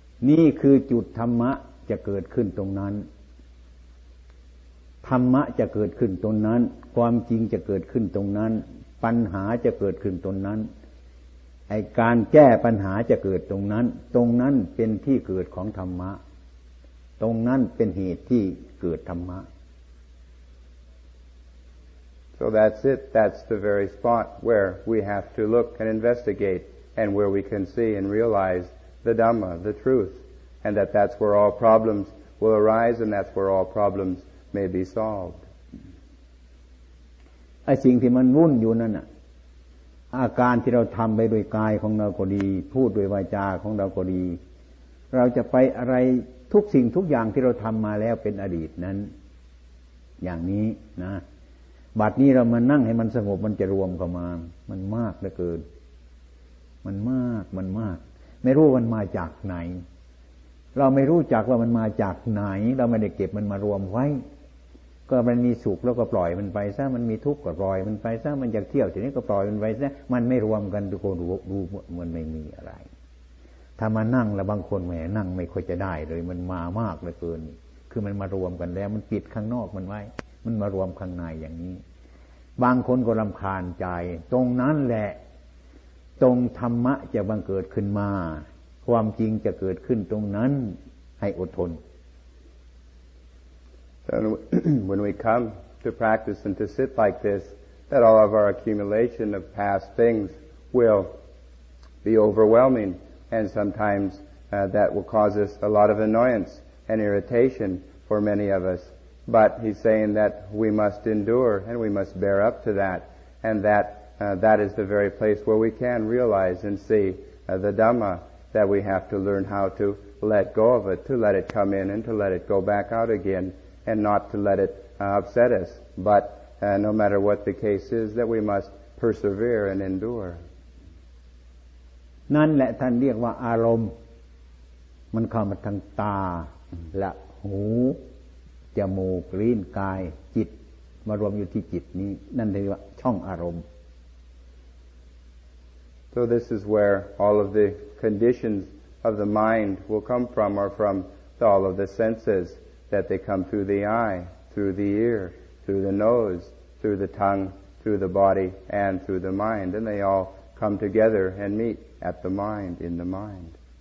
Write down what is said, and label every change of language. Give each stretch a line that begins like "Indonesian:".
Thai: นี่คือจุดธรรมะจะเกิดขึ้นตรงนั้นธรรมะจะเกิดขึ้นตรงนั้นความจริงจะเกิดขึ้นตรงนั้นปัญหาจะเกิดขึ้นตรงนั้น ไอ้การแก้ปัญหาจะเกิดตรงนั้นตรงนั้นเป็นที่เกิดของธรรมะตรงนั้นเป็นเหตุที่เกิดธรรมะ
English: So that's it. That's the very spot where we have to look and investigate and where we can see and realize the Dhamma, the truth, and that that's where all problems will arise and that's where all problems may be solved.
Thai: ไอ้สิ่งที่มันวุ่นอยู่นั่นอะอาการที่เราทำไปด้วยกายของเราก็ดีพูดด้วยวาจาของเราก็ดีเราจะไปอะไรทุกสิ่งทุกอย่างที่เราทำมาแล้วเป็นอดีตนั้นอย่างนี้นะบัดนี้เรามานั่งให้มันสงบมันจะรวมเข้ามามันมากเหลือเกิน มันมากไม่รู้มันมาจากไหนเราไม่รู้จักว่ามันมาจากไหนเราไม่ได้เก็บมันมารวมไว้ก็มันมีสุขแล้วก็ปล่อยมันไปซะมันมีทุกข์ก็ปล่อยมันไปซะมันอยากเที่ยวทีนี้ก็ปล่อยมันไปซะมันไม่รวมกันทุกคนรู้มันไม่มีอะไร ถ้ามานั่งแล้วบางคนแหมนั่งไม่ค่อยจะได้เลยมันมามากเหลือเกินคือมันมารวมกันแล้วมันปิดข้างนอกมันไว้มันมารวมข้างในอย่างนี้บางคนก็รำคาญใจตรงนั้นแหละตรงธรรมะจะบังเกิดขึ้นมาความจริงจะเกิดขึ้นตรงนั้นให้อดทน
English: And when we come to practice and to sit like this, that all of our accumulation of past things will be overwhelming, and sometimes that will cause us a lot of annoyance and irritation for many of us. But he's saying that we must endure and we must bear up to that, and that that is the very place where we can realize and see the Dhamma, that we have to learn how to let go of it, to let it come in and to let it go back out again. And not to let it upset us, but no matter what the case is, that we must persevere and endure.
Thai: นั่นแหละท่านเรียกว่าอารมณ์มันเข้ามาทางตาและหูจมูกลิ้นกายจิตมารวมอยู่ที่จิตนี้นั่นเรียกว่าช่องอารมณ์
English: So this is where all of the conditions of the mind will come from, or from all of the senses. That they come through the eye, through the ear, through the nose, through the tongue, through the body, and through the mind, and they all come together and meet at the mind, in the mind.